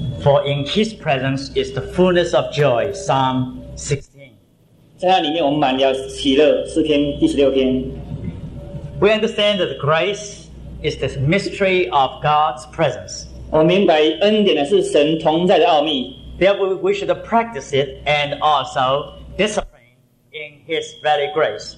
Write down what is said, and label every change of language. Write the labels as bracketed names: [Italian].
[English] For in His presence is the fullness of joy, Psalm 16. [Chinese] 诗篇第十六篇. [English] We understand that grace is the mystery of God's presence. [Chinese] 我明白恩典的是神同在的奥秘. [English] Therefore, we should practice it and also discipline in His very grace.